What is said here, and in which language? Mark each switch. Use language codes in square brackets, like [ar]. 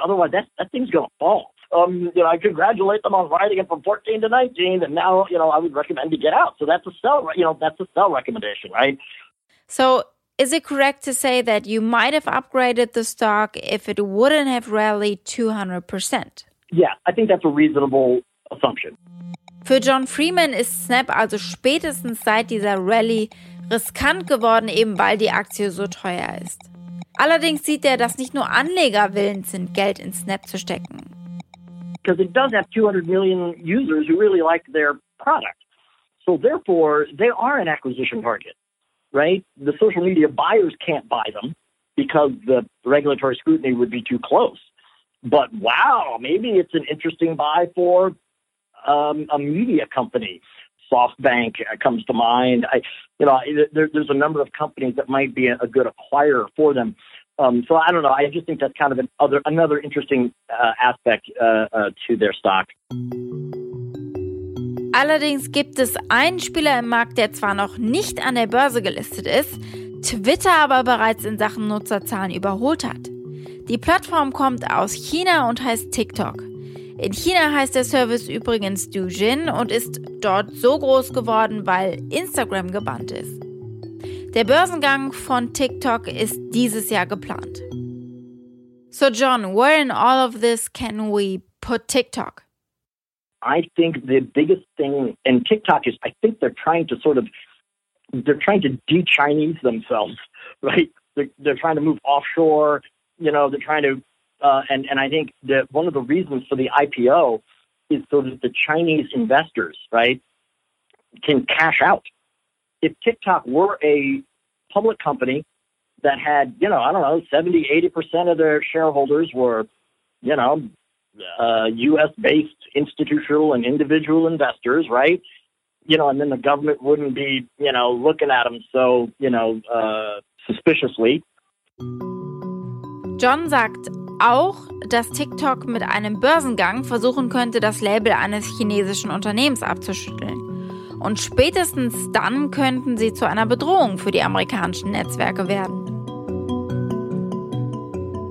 [en] Otherwise, that thing's going to fall. You know, I congratulate them on riding it from 14 to 19, and now, you know, I would recommend to get out. So that's a sell, you know, that's a sell recommendation, right? So is it correct to say that you might have upgraded the stock if it wouldn't have rallied 200%? Yeah, I think that's a reasonable assumption. [de] Für John Freeman ist Snap also spätestens seit dieser Rallye riskant geworden, eben weil die Aktie so teuer ist. Allerdings sieht er, dass nicht nur Anleger willens sind, Geld in Snap zu stecken. [en] Because it does have 200 million users who really like their product. So therefore, they are an acquisition target, right? The social media buyers can't buy them because the regulatory scrutiny would be too close. But wow, maybe it's an interesting buy for a media company. SoftBank comes to mind. There's a number of companies that might be a good acquirer for them. So I don't know. I just think that's kind of another interesting aspect to their stock. [de] Allerdings gibt es einen Spieler im Markt, der zwar noch nicht an der Börse gelistet ist, Twitter aber bereits in Sachen Nutzerzahlen überholt hat. Die Plattform kommt aus China und heißt TikTok. In China heißt der Service übrigens Douyin und ist dort so groß geworden, weil Instagram gebannt ist. Der Börsengang von TikTok ist dieses Jahr geplant. [en] So John, where in all of this can we put TikTok? I think the biggest thing in TikTok is, I think they're trying to de-Chinese themselves, right? They're trying to move offshore, you know, they're trying to and I think that one of the reasons for the IPO is so that the Chinese investors, right, can cash out. If TikTok were a public company that had, you know, I don't know, 70-80% of their shareholders were, you know, U.S.-based institutional and individual investors, right? You know, and then the government wouldn't be, you know, looking at them so, you know, suspiciously. [de] John sagt auch, dass TikTok mit einem Börsengang versuchen könnte, das Label eines chinesischen Unternehmens abzuschütteln. Und spätestens dann könnten sie zu einer Bedrohung für die amerikanischen Netzwerke werden.